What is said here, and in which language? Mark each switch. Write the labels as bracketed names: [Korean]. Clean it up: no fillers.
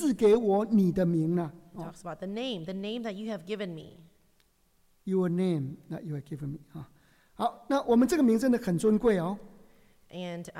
[Chinese] 求中文说求你因你赐给我另外一个版本说你的名呢你赐给我你的名呢。 Talks [English] about the name that you have given me. Your name that you have given me. [Chinese] 好，那我们这个名真的很尊贵哦。And